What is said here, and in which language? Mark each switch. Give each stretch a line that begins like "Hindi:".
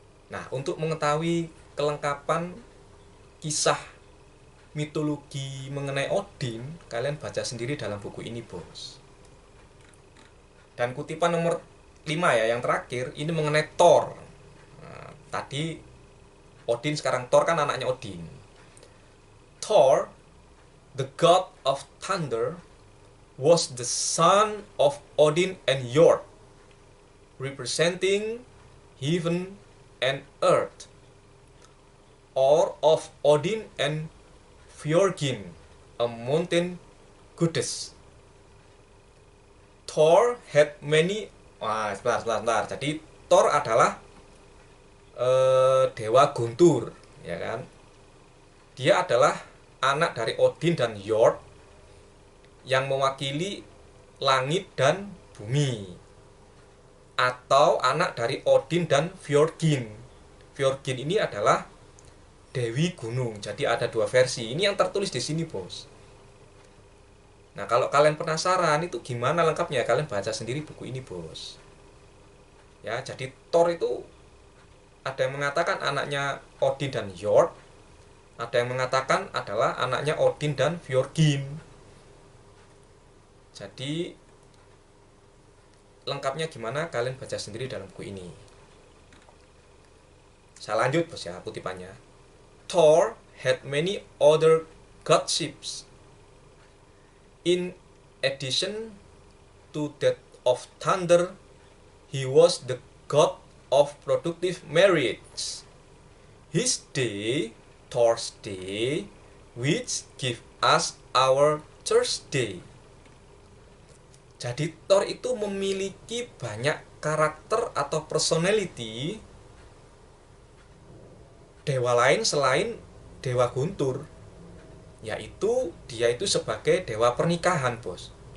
Indonesian: Nah, untuk mengetahui kelengkapan kisah mitologi mengenai Odin, kalian baca sendiri dalam buku ini, bos. Dan kutipan nomor 5 ya, yang terakhir, ini mengenai Thor. Nah, tadi Odin, sekarang Thor kan anaknya Odin.
English: Thor, the god of thunder, was the son of Odin and Njord, representing heaven and earth, or of Odin and Fjörgyn, a mountain goddess. Thor had many.
Indonesian: Wah, sebentar, sebentar, sebentar. Jadi Thor adalah dewa guntur, ya kan? Dia adalah anak dari Odin dan Njord yang mewakili langit dan bumi, atau anak dari Odin dan Fjörgyn. Fjörgyn ini adalah Dewi Gunung. Jadi ada dua versi. Ini yang tertulis di sini, bos. Nah, kalau kalian penasaran itu gimana lengkapnya, kalian baca sendiri buku ini, bos. Ya, jadi Thor itu ada yang mengatakan anaknya Odin dan Njord, ada yang mengatakan adalah anaknya Odin dan Fjörgyn. Jadi lengkapnya gimana, kalian baca sendiri dalam buku ini. Saya lanjut, bos ya, kutipannya.
English: Thor had many other godships. In addition to that of thunder, he was the god of productive marriage. His day, Thor's day, which give us our Thursday.
Indonesian: Jadi Thor itu memiliki banyak karakter atau personality dewa lain selain dewa guntur, yaitu dia itu sebagai dewa pernikahan, bos.